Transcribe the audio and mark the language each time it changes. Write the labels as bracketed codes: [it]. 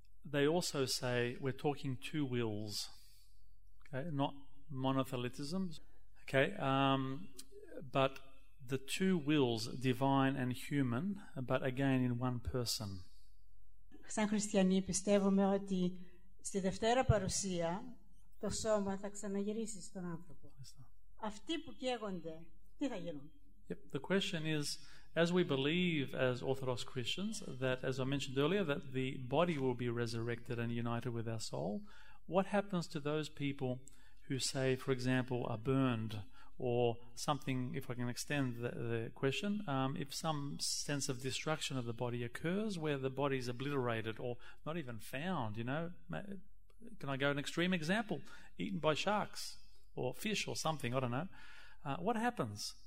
[en] They also say we're talking two wills, okay, not monothelitism. Okay, but the two wills, divine and human, but again in one person. [el] Σαν χριστιανοί πιστεύουμε ότι στη δευτέρα παρουσία το σώμα θα ξαναγυρίσει στον άνθρωπο. Αυτοί που καίγονται, τι θα γίνουν? [en] Yep. The question is, as we believe as Orthodox Christians, that as I mentioned earlier, that the body will be resurrected and united with our soul, what happens to those people who say, for example, are burned or something, if I can extend the question, if some sense of destruction of the body occurs where the body is obliterated or not even found, you know, can I go an extreme example, eaten by sharks or fish or something, I don't know, what happens?